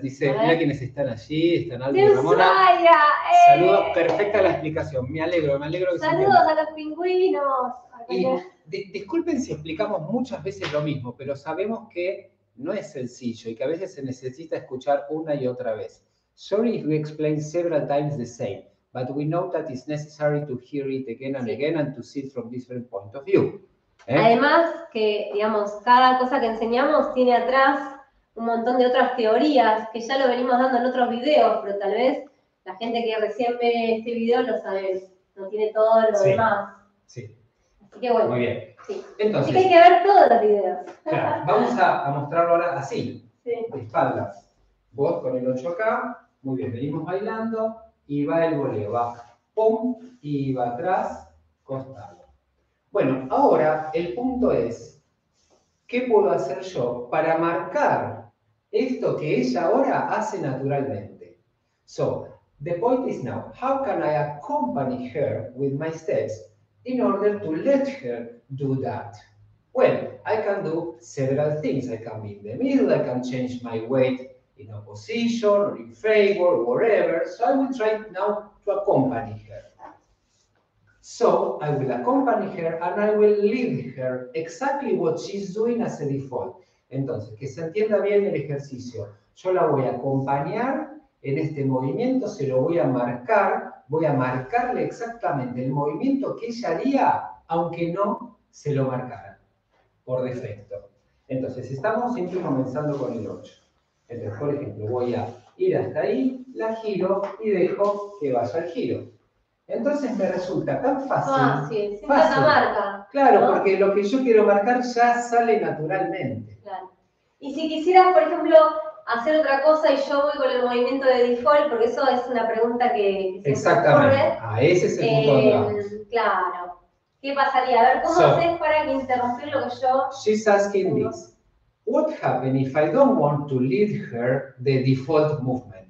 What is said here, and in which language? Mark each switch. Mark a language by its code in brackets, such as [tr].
[es] Dice, mira quiénes están allí, están Aldo y Ramona. ¡Ushuaia! Saludos, perfecta la explicación. Me alegro. Saludos a los pingüinos. Y disculpen si explicamos muchas veces lo mismo, pero sabemos que no es sencillo y que a veces se necesita escuchar una y otra vez. [en] Sorry if we explain several times the same, but we know that it's necessary to hear it again and again and to see it from different point of view. [es] Además, que, digamos, cada cosa que enseñamos tiene atrás un montón de otras teorías que ya lo venimos dando en otros videos, pero tal vez la gente que recién ve este video lo sabe, no tiene todo lo demás. Sí. Así que bueno. Muy bien. Sí. Entonces, así que hay que ver todos los videos. Claro, vamos a mostrarlo ahora así, de espaldas. Vos con el 8 acá, muy bien, venimos bailando y va el voleo, va pum y va atrás, costado. Bueno, ahora el punto es, ¿qué puedo hacer yo para marcar esto que ella ahora hace naturalmente? [en] So, the point is now, how can I accompany her with my steps in order to let her do that? Well, I can do several things, I can be in the middle, I can change my weight, in opposition, or in favor, whatever. So I will try now to accompany her. So I will accompany her and I will lead her exactly what she's doing as a default. [es] Entonces, que se entienda bien el ejercicio. Yo la voy a acompañar en este movimiento, se lo voy a marcar, voy a marcarle exactamente el movimiento que ella haría, aunque no se lo marcara, por defecto. Entonces, estamos siempre comenzando con el 8. Entonces, por ejemplo, voy a ir hasta ahí, la giro y dejo que vaya al giro. Entonces me resulta tan fácil. La marca. Claro, ¿no? Porque lo que yo quiero marcar ya sale naturalmente. Claro. Y si quisieras, por ejemplo, hacer otra cosa y yo voy con el movimiento de default, porque eso es una pregunta que se ocurre. Exactamente, a ese es el punto donde vamos. Claro. ¿Qué pasaría? A ver, ¿cómo haces para interrumpir lo que yo... [en] She's asking this. What happens if I don't want to lead her the default movement?